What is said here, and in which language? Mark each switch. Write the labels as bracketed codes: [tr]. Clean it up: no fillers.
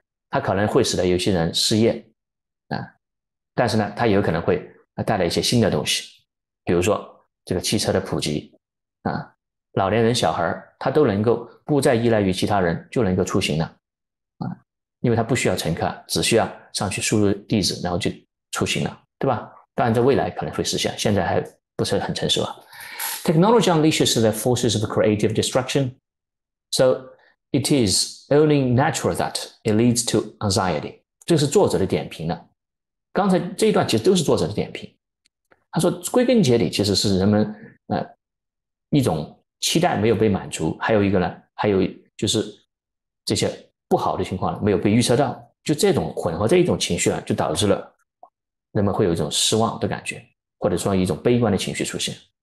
[zh] 它可能会使得有些人失业啊，但是呢，它也有可能会带来一些新的东西，比如说这个汽车的普及啊。老年人、小孩，他都能够不再依赖于其他人，就能够出行了，啊，因为他不需要乘客，只需要上去输入地址，然后就出行了，对吧？当然，在未来可能会实现，现在还不是很成熟啊。 [en] Technology unleashes the forces of creative destruction, so it is only natural that it leads to anxiety. [zh] 这是作者的点评了。刚才这一段其实都是作者的点评。他说，归根结底，其实是人们一种。期待没有被满足，还有一个呢，还有就是这些不好的情况没有被预测到，就这种混合这一种情绪啊，就导致了人们会有一种失望的感觉，或者说一种悲观的情绪出现。